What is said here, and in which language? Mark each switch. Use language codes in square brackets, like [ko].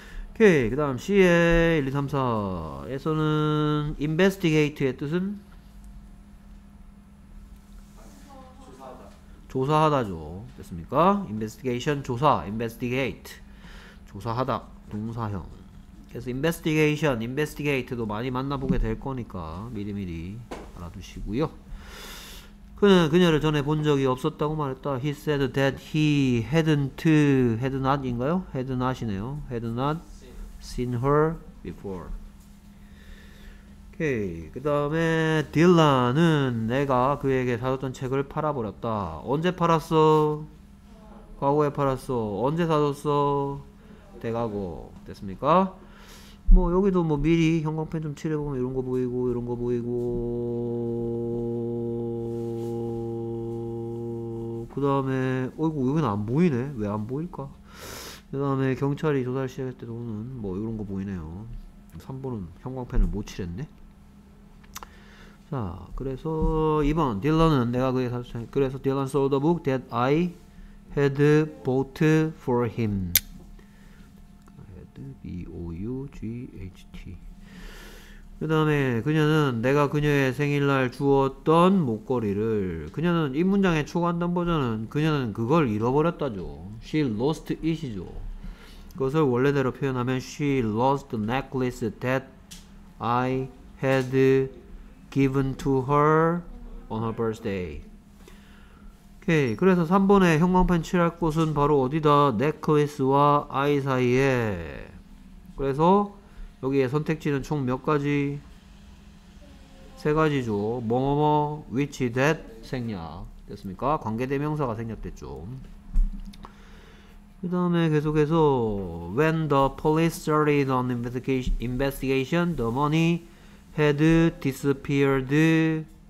[ko] 오케이, 그다음 C의 1234에서는 investigate의 뜻은 조사하다죠. 됐습니까? investigation 조사, investigate 조사하다 동사형. 그래서 investigation, investigate도 많이 만나보게 될 거니까 미리미리 알아두시고요. 그는 그녀를 전에 본 적이 없었다고 말했다. [en] He said that he hadn't, had not 인가요? Had not이네요. Had not seen her before. 오케이. [ko] 그 다음에 딜런은 내가 그에게 사줬던 책을 팔아버렸다. 언제 팔았어? 과거에 팔았어. 언제 사줬어? 대가고. 됐습니까? 뭐 여기도 뭐 미리 형광펜 좀 칠해보면 이런 거 보이고 이런 거 보이고 그 다음에 어이구 여기는 안 보이네. 왜 안 보일까? 그 다음에 경찰이 조사를 시작했을 때도는 뭐 이런 거 보이네요. 3번은 형광펜을 못 칠했네. 자 그래서 2번 딜런은 내가 그에게 사줬어. 그래서 딜런 [en] sold the book that I had bought for him. BOUGHT. [ko] 그 다음에 그녀는 내가 그녀의 생일날 주었던 목걸이를. 그녀는 이 문장의 초간단 버전은 그녀는 그걸 잃어버렸다죠. [en] She lost it이죠. [ko] 그것을 원래대로 표현하면 [en] She lost the necklace that I had given to her on her birthday. [ko] 오케이. 그래서 3번에 형광펜 칠할 곳은 바로 어디다? 넥클리스와 아이 사이에. 그래서 여기에 선택지는 총 몇 가지? 세 가지죠. 뭐뭐뭐, which, that, 생략. 됐습니까? 관계대명사가 생략됐죠. 그 다음에 계속해서 [en] When the police started on investigation, the money had disappeared.